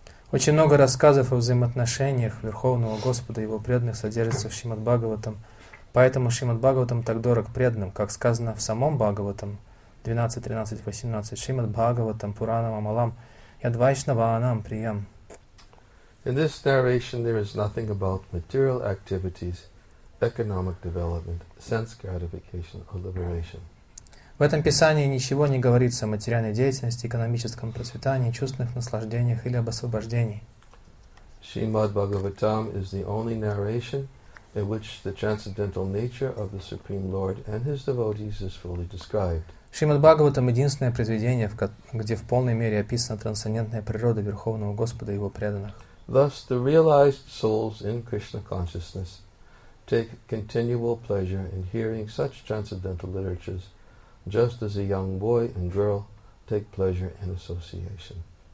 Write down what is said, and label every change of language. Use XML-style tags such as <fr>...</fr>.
<ru>Очень много рассказов о взаимоотношениях Верховного Господа и Его преданных содержится в</ru> <sa>Шримад Бхагаватам, поэтому Шримад Бхагаватам так дорог преданным, как сказано в самом Бхагаватам 12.13.18 Шримад Бхагаватам Пуранам Амалам Яд Вайшнаванам Приям.</sa> <en>In this narration there is nothing about material activities, economic development, sense gratification or liberation.</en> <ru>В этом писании ничего не говорится о материальной деятельности, экономическом процветании, чувственных наслаждениях или об освобождении.</ru> <en>Shrimad Bhagavatam is the only narration in which the transcendental nature of the Supreme Lord and His devotees is fully described.</en> <ru>Shrimad Bhagavatam — единственное произведение, где в полной мере описана трансцендентная природа Верховного Господа и Его преданных.</ru> <en>Thus, the realized souls in Krishna consciousness take continual pleasure in hearing such transcendental literatures, just as a young boy and girl take pleasure in association.</en>